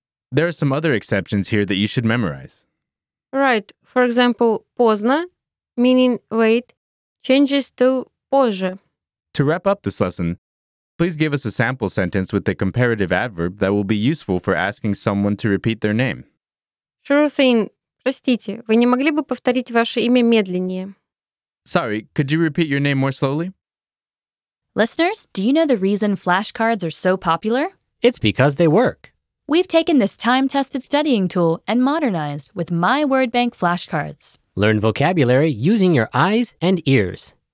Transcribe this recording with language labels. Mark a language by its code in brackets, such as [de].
[en] There are some other exceptions here that you should memorize. Right. For example, «поздно», meaning «late», changes to «позже». To wrap up this lesson, please give us a sample sentence with a comparative adverb that will be useful for asking someone to repeat their name. Sure thing. [ru] Простите, вы не могли бы повторить ваше имя медленнее? [en] Sorry, could you repeat your name more slowly? Listeners, do you know the reason flashcards are so popular? It's because they work. We've taken this time-tested studying tool and modernized with My Word Bank flashcards. Learn vocabulary using your eyes and ears.